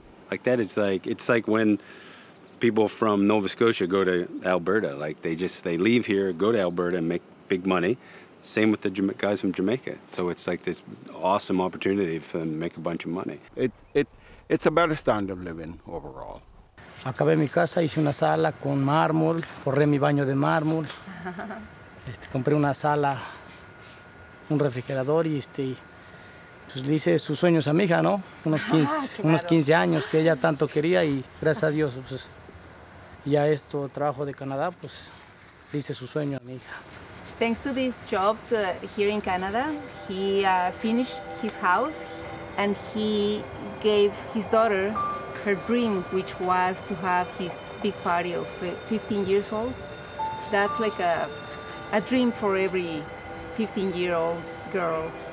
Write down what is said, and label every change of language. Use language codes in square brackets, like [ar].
[en] Like that is like, it's like when people from Nova Scotia go to Alberta, like they leave here, go to Alberta and make big money. Same with the guys from Jamaica. So it's like this awesome opportunity for them to make a bunch of money. It's a better standard of living overall. [es] Acabé mi casa, hice una sala con mármol, forré mi baño de mármol, compré una sala, un refrigerador y pues le hice sus sueños a mi hija, ¿no? Unos 15 años que ella tanto quería y gracias a Dios, pues, ya esto trabajo de Canadá, pues le hice su sueño a mi hija. [en] Thanks to this job here in Canada, he finished his house and he gave his daughter her dream, which was to have his big party of 15 years old. That's like a dream for every 15-year-old girl.